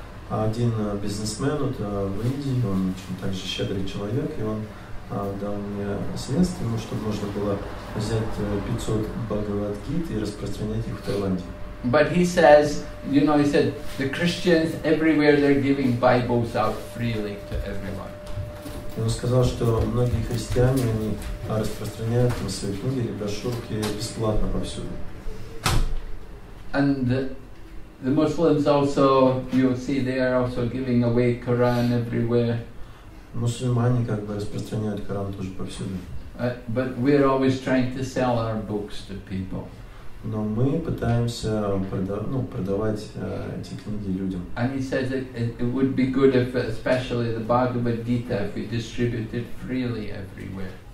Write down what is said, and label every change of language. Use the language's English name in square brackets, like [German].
[Russian] Один бизнесмен в Индии, он также щедрый человек, и он дал мне средства, чтобы можно было взять 500 Бхагавад Гит и распространять их в Таиланде. [English] But he says, you know, he said, the Christians everywhere, they're giving Bibles out freely to everyone. [Russian] Он сказал, что многие христиане, они распространяют на свои книги или брошюрки бесплатно повсюду. [English] And the Muslims also, you see, they are also giving away Quran everywhere. [Russian] Мусульмане как бы распространяют Коран тоже повсюду. [English] But we are always trying to sell our books to people. [Russian] Но мы пытаемся продавать эти книги людям. [English] And he says it would be good if, especially the Bhagavad Gita, if we distributed freely everywhere.